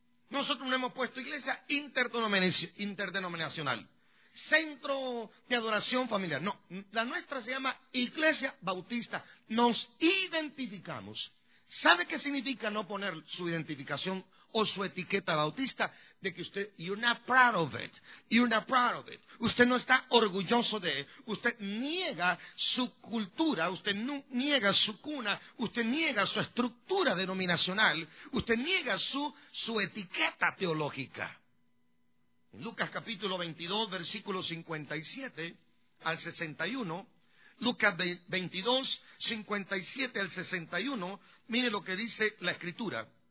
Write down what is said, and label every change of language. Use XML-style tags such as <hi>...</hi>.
<es>Nosotros no hemos puesto Iglesia Interdenominacional. Centro de Adoración Familiar. No, la nuestra se llama Iglesia Bautista. Nos identificamos. ¿Sabe qué significa no poner su identificación o su etiqueta bautista? De que usted,</es> <en>you're not proud of it, you're not proud of it.</en> <es>Usted no está orgulloso de él. Usted niega su cultura, usted niega su cuna, usted niega su estructura denominacional, usted niega su etiqueta teológica. En Lucas capítulo 22, versículo 57 al 61, Lucas 22, 57 al 61, mire lo que dice la Escritura.</es>